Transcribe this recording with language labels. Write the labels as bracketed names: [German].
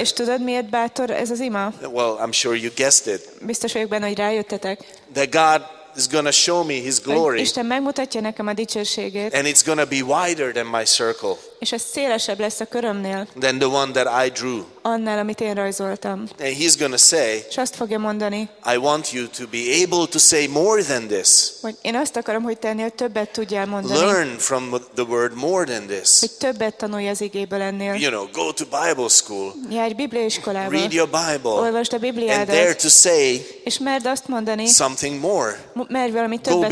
[Hungarian] És tudod miért bátor ez az ima? [English] Well, I'm sure you guessed it. [Hungarian] Biztos vagyok benne, hogy rájöttetek. [English] That God is going to show me his glory. [Hungarian] Isten megmutatja nekem a dicsőségét. [English] And it's going to be wider than my circle. [Hungarian] És ez szélesebb lesz a körömnél. [English] Than the one that I drew. [Hungarian] Annál, amit én rajzoltam. [English] And he's going to say. [Hungarian] És azt fogja mondani. [English] I want you to be able to say more than this. [Hungarian] Hogy én azt akarom, hogy tennél többet tudjál mondani. [English] Learn from the word more than this. [Hungarian] Hogy többet tanulj az igéből ennél. [English] You know, go to Bible school. [Hungarian] Járj bibliaiskolába. [English] Read your Bible. [Hungarian] Olvasd a Bibliádat. [English] And dare to say. [Hungarian] És merd azt mondani. [English] Something more. [Hungarian] Merj valami többet